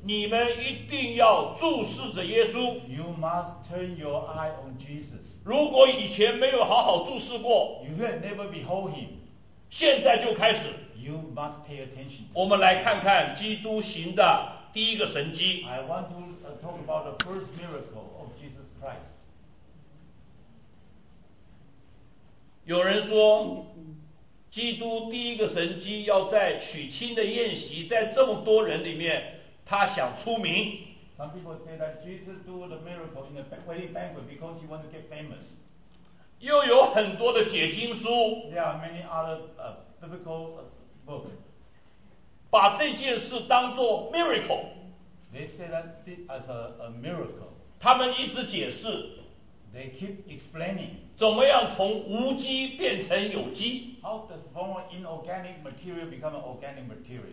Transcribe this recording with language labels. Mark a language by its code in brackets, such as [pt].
[zh] 你们一定要注视着耶稣。 [en] You must turn your eye on Jesus. [zh] 如果以前没有好好注视过， [en] You will never behold him. [zh] 现在就开始。 [en] You must pay attention. [zh] 我们来看看基督行的第一个神迹。 [en] I want to talk about the first miracle of Jesus Christ. [zh] 有人说，基督第一个神迹要在娶亲的宴席，在这么多人里面，他想出名。 [en] Some people say that Jesus do the miracle in the wedding banquet because he want to get famous. [zh] 又有很多的解经书。 [en] There are many other biblical book. [zh] 把这件事当作 miracle. [en] They say that as a miracle. [zh] 他们一直解释。 [en] They keep explaining. [zh] 怎么样从无机变成有机？ [en] How does from an inorganic material become an organic material?